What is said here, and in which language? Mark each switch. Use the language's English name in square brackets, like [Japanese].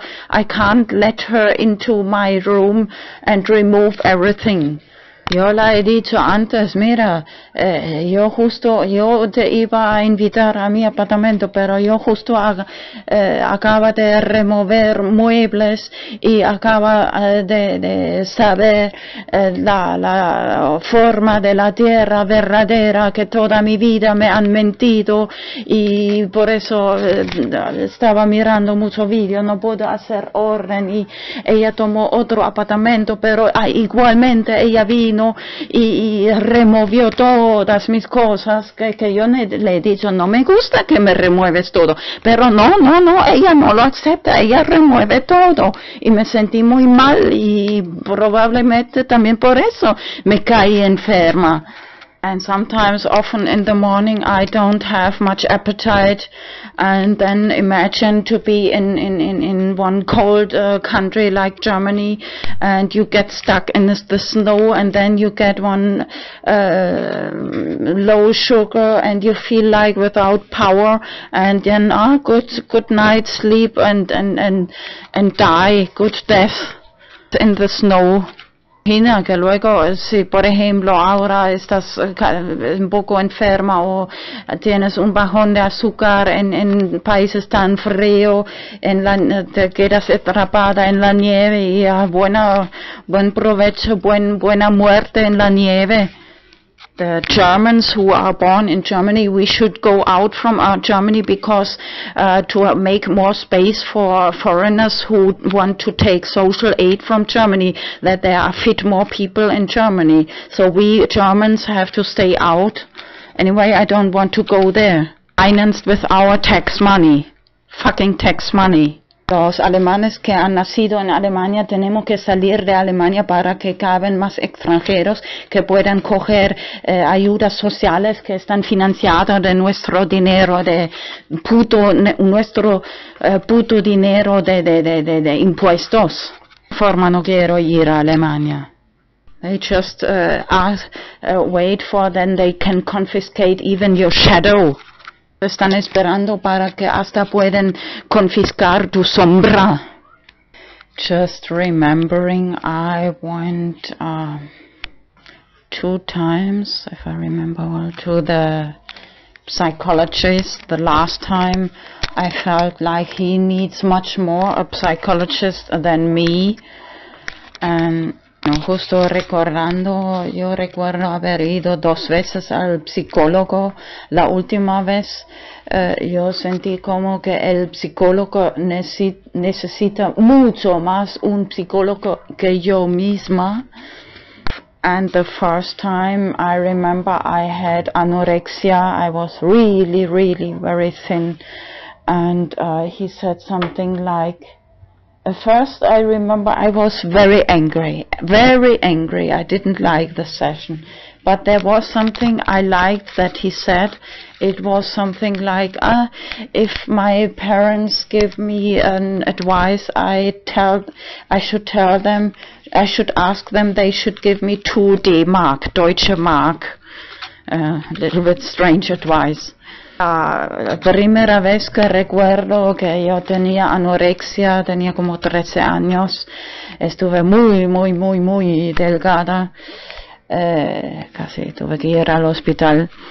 [English] I can't let her into my room and remove everything. [Spanish] Yo la he dicho antes, mira, yo justo, yo te iba a invitar a mi apartamento, pero yo justo acaba de remover muebles y acaba de saber la forma de la tierra verdadera que toda mi vida me han mentido y por eso estaba mirando mucho vídeo, no puedo hacer orden y ella tomó otro apartamento, pero igualmente ella vino y removió todas mis cosas que yo le he dicho, no me gusta que me remueves todo, pero no, ella no lo acepta, ella remueve todo y me sentí muy mal y probablemente también por eso me caí enferma. [English] And sometimes, often in the morning, I don't have much appetite. And then imagine to be in one cold country like Germany, and you get stuck in the snow, and then you get one low sugar, and you feel like without power. And then, good night sleep, and die, good death in the snow. [Spanish] imagina que luego, si por ejemplo ahora estás un poco enferma o tienes un bajón de azúcar en países tan frío, te quedas atrapada en la nieve y buen provecho, buena muerte en la nieve. [English] The Germans who are born in Germany, we should go out from Germany because to make more space for foreigners who want to take social aid from Germany, that there are fit more people in Germany. So we Germans have to stay out. Anyway, I don't want to go there. Financed with our tax money. Fucking tax money. [Spanish] Los alemanes que han nacido en Alemania tenemos que salir de Alemania para que caben más extranjeros que puedan coger ayudas sociales que están financiadas de nuestro dinero, de puto, nuestro puto dinero de impuestos. Forma no quiero ir a Alemania. [English] They just ask, wait for then they can confiscate even your shadow. [Spanish] Están esperando para que hasta pueden confiscar tu sombra. [English] Just remembering, I went two times, if I remember well, to the psychologist. The last time I felt like he needs much more a psychologist than me. [Spanish] And justo recordando, yo recuerdo haber ido dos veces al psicólogo. La última vez, yo sentí como que el psicólogo necesita mucho más un psicólogo que yo misma. [English] And the first time I remember I had anorexia. I was really, really very thin. And he said something like, at first, I remember I was very angry, very angry. I didn't like the session. But there was something I liked that he said. It was something like, if my parents give me an advice, I should tell them, I should ask them, they should give me 2 D-Mark, Deutsche Mark. A little bit strange advice. [Spanish] La primera vez que recuerdo que yo tenía anorexia, tenía como 13 años, estuve muy, muy, muy, muy delgada, casi tuve que ir al hospital.